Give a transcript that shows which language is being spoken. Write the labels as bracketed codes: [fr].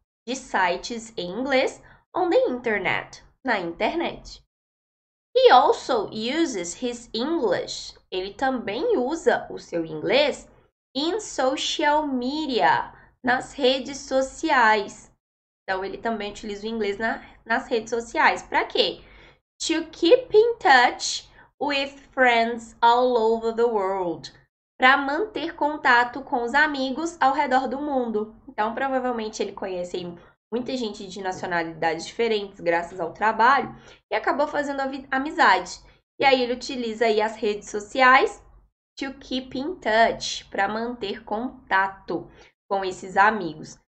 [pt] de sites em inglês [en] on the internet, [pt] na internet. [en] He also uses his English. [pt] Ele também usa o seu inglês [en] in social media, [pt] nas redes sociais. Então, ele também utiliza o inglês nas redes sociais. Para quê? [en] To keep in touch with friends all over the world. [pt] Para manter contato com os amigos ao redor do mundo. Então, provavelmente, ele conhece muita gente de nacionalidades diferentes, graças ao trabalho, e acabou fazendo amizade. E aí, ele utiliza aí as redes sociais [en] to keep in touch, [pt] para manter contato com esses amigos.